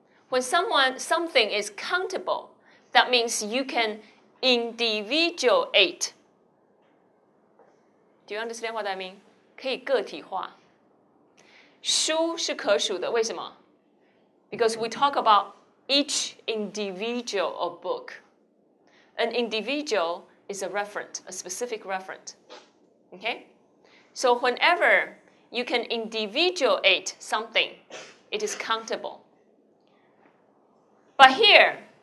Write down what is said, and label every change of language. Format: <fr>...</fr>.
<en>When something is countable, that means you can individuate. Do you understand what I mean?</en> <zh>可以个体化。书是可数的，为什么？</zh> <en>Because we talk about each individual or book. An individual is a referent, a specific referent. Okay? So whenever you can individuate something, it is countable. But here,</en>